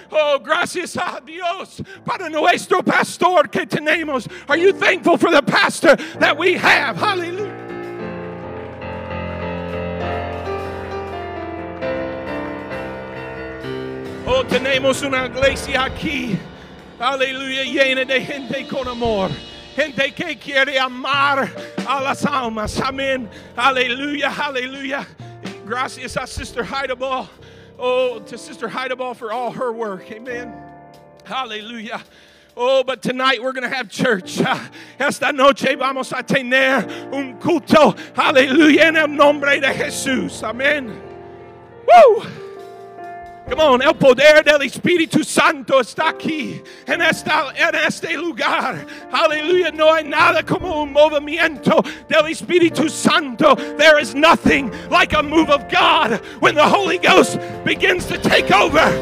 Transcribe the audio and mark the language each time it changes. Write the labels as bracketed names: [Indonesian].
[Spanish] Oh, gracias a Dios para nuestro pastor que tenemos. [English] Are you thankful for the pastor that we have? Hallelujah. [Spanish] Oh, tenemos una iglesia aquí. Aleluya, llena de gente con amor. Gente que quiere amar a las almas. Amén. Aleluya, aleluya. Gracias a Sister Heidebaugh. [English] Oh, to Sister Heidebaugh for all her work. Amen. Aleluya. Oh, but tonight we're going to have church. [Spanish] Esta noche vamos a tener un culto. Aleluya, en el nombre de Jesús. Amén. Woo! [English] Come on, [Spanish] el poder del Espíritu Santo está aquí, en este lugar. Hallelujah, no hay nada como un movimiento del Espíritu Santo. [English] There is nothing like a move of God when the Holy Ghost begins to take over.